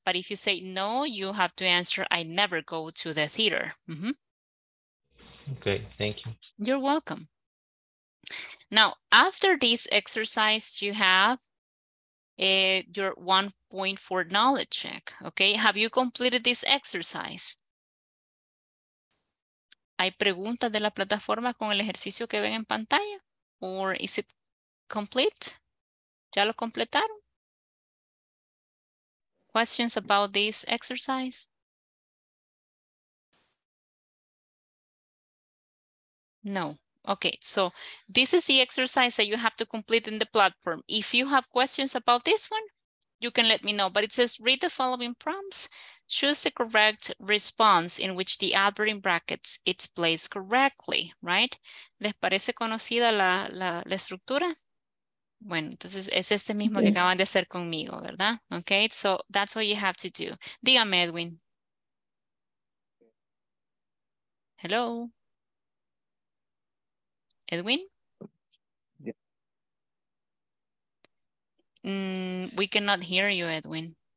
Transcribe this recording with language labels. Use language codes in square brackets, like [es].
[en] But if you say no, you have to answer, I never go to the theater. Mm-hmm. Okay, thank you. You're welcome. Now, after this exercise you have, your 1.4 knowledge check. Okay, have you completed this exercise? [es] ¿Hay preguntas de la plataforma con el ejercicio que ven en pantalla? [en] Or is it complete? [es] ¿Ya lo completaron? [en] Questions about this exercise? No. Okay, so this is the exercise that you have to complete in the platform. If you have questions about this one, you can let me know. But it says, read the following prompts. Choose the correct response in which the adverb in brackets is placed correctly, right? [es] ¿Les parece conocida la estructura? Bueno, entonces es este mismo que acaban de hacer conmigo, ¿verdad? [en] Okay, so that's what you have to do. [es] Dígame, Edwin. [en] Hello. Edwin? Yeah. We cannot hear you, Edwin.